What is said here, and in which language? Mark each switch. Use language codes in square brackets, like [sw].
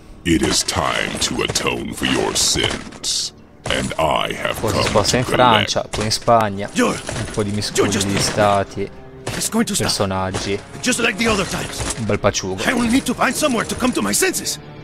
[en] It is time to atone for your sins. And I have [it] forse si sposta in Francia, poi in Spagna. Un po' di miscuglio di stati, personaggi. [en] Just like the other times. [it] Un bel paciugo. [en] I will need to find somewhere to come to my senses.